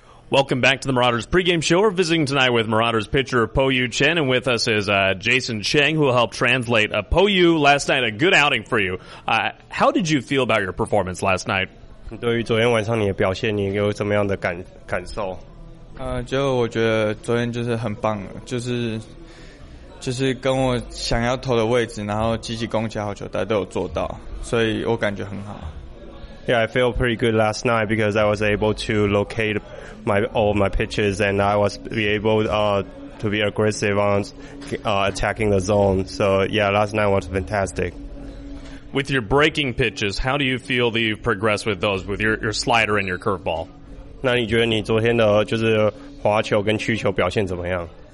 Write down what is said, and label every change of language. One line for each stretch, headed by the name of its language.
English: Welcome back to the Marauders pregame show. We're visiting tonight with Marauders pitcher Po-Yu Chen, and with us is Jason Chang, who will help translate. Po-Yu, last night, a good outing for you. How did you feel about your performance last night?
Chinese: 对于昨天晚上你的表现，你有什么样的感受？就我觉得昨天就是很棒，就是跟我想要投的位置，然后积极攻击好球，大家都有做到，所以我感觉很好。
English: Yeah, I feel pretty good last night because I was able to locate all my pitches and I was able to be aggressive on attacking the zone. So yeah, last night was fantastic. With your breaking pitches, how do you feel that you've progressed with those, with your slider and your curveball?
Chinese: 那你觉得你昨天的就是滑球跟曲球表现怎么样?